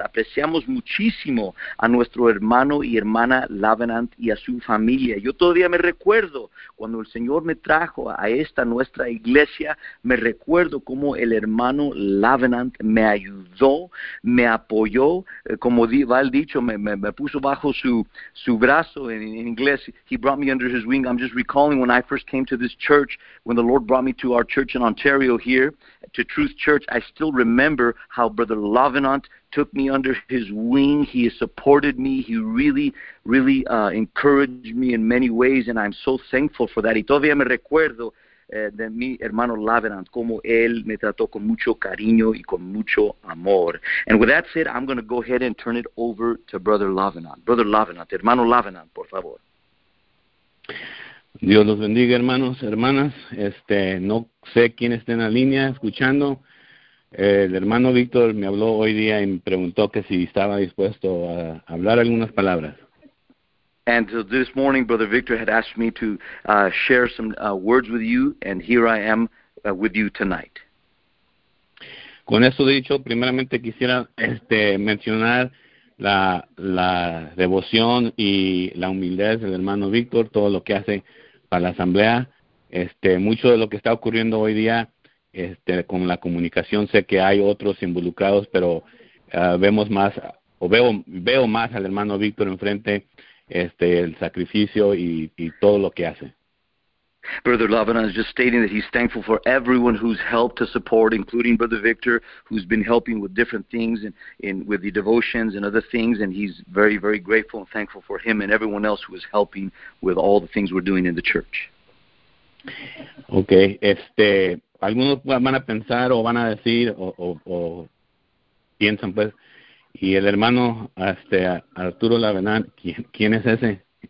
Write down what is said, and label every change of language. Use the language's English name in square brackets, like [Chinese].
[Spanish] Apreciamos muchísimo a nuestro hermano y hermana Lavenant y a su familia. Yo todavía me recuerdo cuando el Señor me trajo a esta nuestra iglesia, me recuerdo cómo el hermano Lavenant me ayudó, me apoyó, como va el dicho, me puso bajo su brazo en inglés. [English] He brought me under his wing. I'm just recalling when I first came to this church, when the Lord brought me to our church in Ontario here, to Truth Church, I still remember how Brother Lavenant took me under his wing. He supported me. He really, really encouraged me in many ways, and I'm so thankful for that. [Spanish] Y todavía me recuerdo de mi hermano Lavenant, como él me trató con mucho cariño y con mucho amor. [English] And with that said, I'm going to go ahead and turn it over to Brother Lavenant. [Spanish] Brother Lavenant, hermano Lavenant, por favor. Dios los bendiga, hermanos, hermanas. No sé quién está en la línea escuchando. El hermano Víctor me habló hoy día y me preguntó que si estaba dispuesto a hablar algunas palabras. [English] And so this morning, Brother Victor had asked me to share some words with you, and here I am with you tonight. [Spanish] Con eso dicho, primeramente quisiera mencionar la devoción y la humildad del hermano Víctor, todo lo que hace para la asamblea. Mucho de lo que está ocurriendo hoy día con la comunicación, sé que hay otros involucrados, pero vemos más, o veo más al hermano Víctor enfrente, el sacrificio y todo lo que hace. [English] Brother Lavenant is just stating that he's thankful for everyone who's helped to support, including Brother Victor, who's been helping with different things and in with the devotions and other things, and he's very, very grateful and thankful for him and everyone else who is helping with all the things we're doing in the church. [Spanish] Okay, algunos van a pensar o van a decir o piensan pues, y el hermano Arturo Lavenant, ¿quién es ese?